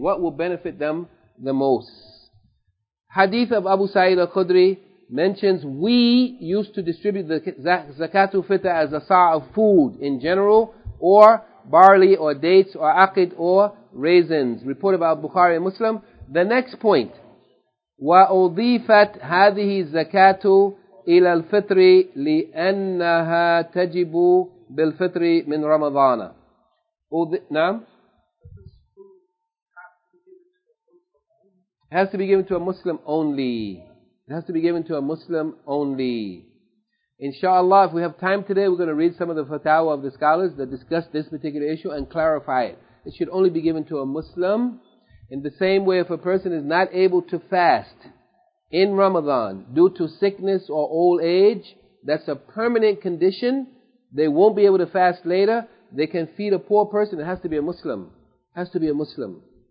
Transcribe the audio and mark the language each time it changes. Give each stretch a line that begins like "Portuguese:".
English: What will benefit them the most? Hadith of Abu Sa'id al-Khudri mentions, we used to distribute the zakat al-fitr as a sa'a of food in general, or barley, or dates, or aqid, or raisins. Reported by Bukhari and Muslim. The next point,
Arabic: وَأُضِيفَتْ هَذِهِ الزَّكَاتُ إِلَى الْفِطْرِ لِأَنَّهَا تَجِبُ بِالْفِطْرِ مِنْ رَمَضَانَ. نعم.
English: It has to be given to a Muslim only. It has to be given to a Muslim only. InshaAllah, if we have time today, we're going to read some of the fatawa of the scholars that discuss this particular issue and clarify it. It should only be given to a Muslim. In the same way, if a person is not able to fast in Ramadan due to sickness or old age, that's a permanent condition, they won't be able to fast later, they can feed a poor person, it has to be a Muslim. It has to be a Muslim.